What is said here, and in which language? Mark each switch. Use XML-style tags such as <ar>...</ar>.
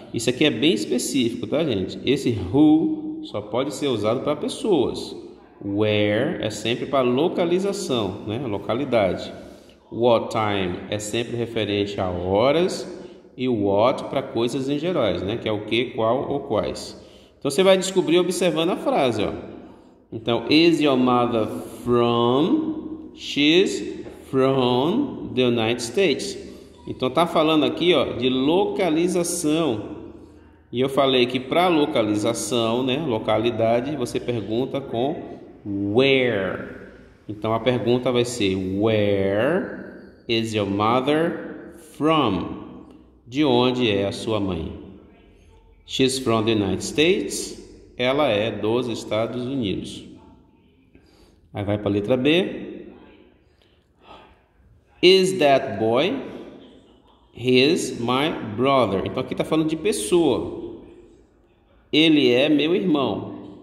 <pt>Isso aqui é bem específico, tá, gente? Esse who só pode ser usado para pessoas. Where é sempre para localização, né? Localidade. What time é sempre referente a horas. E what para coisas em gerais, né? Que é o que, qual ou quais. Então você vai descobrir observando a frase, ó.</pt> <en>Então, is your mother from? She's from the United States.</en> <pt>Então tá falando aqui, ó, de localização. E eu falei que para localização, né, localidade, você pergunta com where. Então a pergunta vai ser:</pt> <en>where is your mother from?</en> <pt>De onde é a sua mãe?</pt> <en>She's from the United States.</en> <pt>Ela é dos Estados Unidos. Aí vai para a letra B.</pt> <en>Is that boy? He's my brother.</en> <pt>Então aqui está falando de pessoa. Ele é meu irmão.</pt>